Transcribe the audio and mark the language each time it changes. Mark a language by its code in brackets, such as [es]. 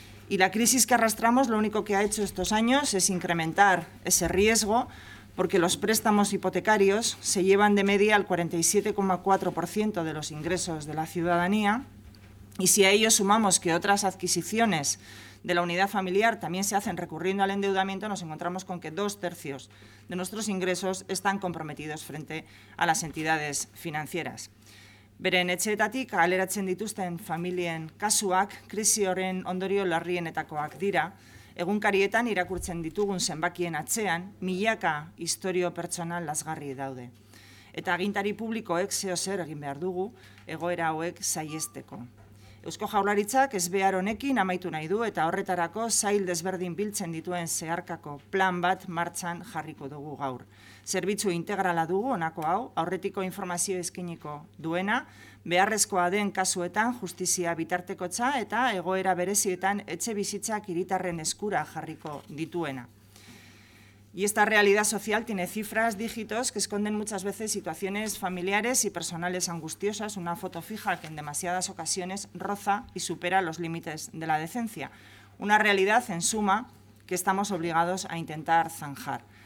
[es] Y la crisis que arrastramos lo único que ha hecho estos años es incrementar ese riesgo, porque los préstamos hipotecarios se llevan de media al 47,4% de los ingresos de la ciudadanía. Y si a ello sumamos que otras adquisiciones de la unidad familiar también se hacen recurriendo al endeudamiento, nos encontramos con que 2/3 de nuestros ingresos están comprometidos frente a las entidades financieras. [eu] Beren etxeetatik kaleratzen dituzten familien kasuak krisioren ondorio larrienetakoak dira. Egunkarietan irakurtzen ditugun zenbakien atzean milaka istorio pertsonal lasgarri daude. Eta agintari publikoek zeozer egin behar dugu egoera hauek saihesteko. Eusko Jaurlaritzak ezbehar honekin amaitu nahi du eta horretarako sail desberdin biltzen dituen zeharkako plan bat martxan jarriko dugu gaur. Zerbitzu integrala dugu honako hau, aurretiko informazio eskainiko duena, beharrezkoa den kasuetan justizia bitartekotza eta egoera berezietan etxe bizitzak hiritarren eskura jarriko dituena. [es] Y esta realidad social tiene cifras, dígitos, que esconden muchas veces situaciones familiares y personales angustiosas, una foto fija que en demasiadas ocasiones roza y supera los límites de la decencia. Una realidad, en suma, que estamos obligados a intentar zanjar.